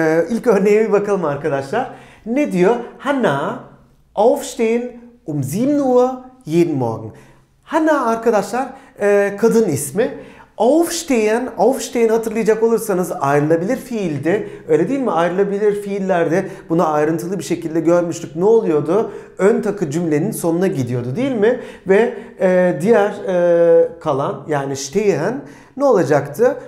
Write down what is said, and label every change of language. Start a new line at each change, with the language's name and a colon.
Turkish: İlk örneğe bir bakalım arkadaşlar. Ne diyor?
German: Hannah aufstehen um 7 Uhr jeden Morgen.
Turkish: Hannah arkadaşlar kadın ismi. Aufstehen hatırlayacak olursanız ayrılabilir fiildi. Öyle değil mi? Ayrılabilir fiillerde bunu ayrıntılı bir şekilde görmüştük. Ne oluyordu? Ön takı cümlenin sonuna gidiyordu değil mi? Ve diğer kalan, yani stehen ne olacaktı?